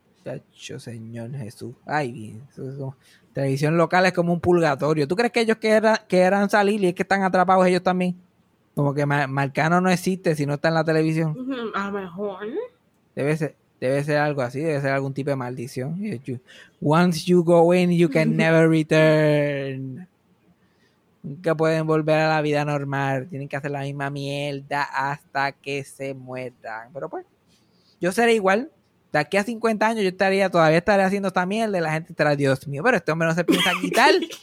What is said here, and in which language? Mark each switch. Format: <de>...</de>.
<es>Chacho, señor Jesús. Ay, bien. Televisión local es como un purgatorio. ¿Tú crees que ellos querrán salir y es que están atrapados ellos también? Como que Marcano no existe si no está en la televisión. A lo mejor. Debe ser algo así, debe ser algún tipo de maldición.</es> <en>Once you go in, you can never return.</en> <es>Nunca pueden volver a la vida normal. Tienen que hacer la misma mierda hasta que se mueran. Pero pues, yo seré igual. De aquí a 50 años yo todavía estaré haciendo esta mierda y la gente estará, Dios mío, pero este hombre no se piensa quitar.</es>